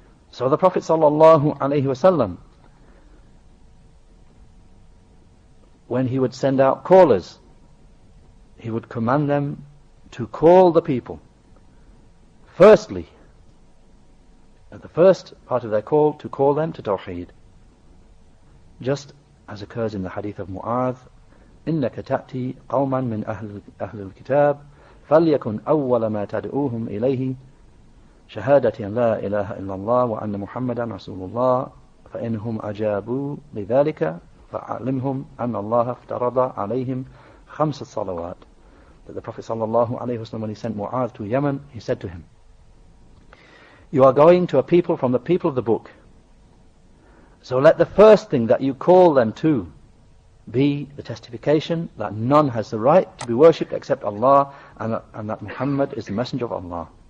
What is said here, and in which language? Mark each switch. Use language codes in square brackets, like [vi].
[en] So the Prophet sallallahu alaihi wasallam, when he would send out callers, he would command them to call the people. Firstly, at the first part of their call, to call them to Tawheed. Just as occurs in the hadith of Mu'adh, [ar] إِنَّكَ تَأْتِي قَوْمًا مِنْ أَهْلِ الْكِتَابِ فَلْيَكُنْ أَوَّلَ مَا تَدْعُوهُمْ إِلَيْهِ شَهَادَةً لَا إِلَهَ إِلَّا اللَّهُ وَأَنَّ مُحَمَّدًا رَسُولُ اللَّهِ فَإِنْهُمْ أَجَابُوا لِذَلِكَ فَعَلِمْهُمْ أَنَّ اللَّهَ افْتَرَضَ عَلَيْهِمْ خَمْسَ صَلَوَاتٍ. [en] That the Prophet صلى الله عليه وسلم, when he sent Mu'adh to Yemen, he said to him, you are going to a people from the people of the book. So let the first thing that you call them to be the testification that none has the right to be worshipped except Allah, and that Muhammad is the messenger of Allah.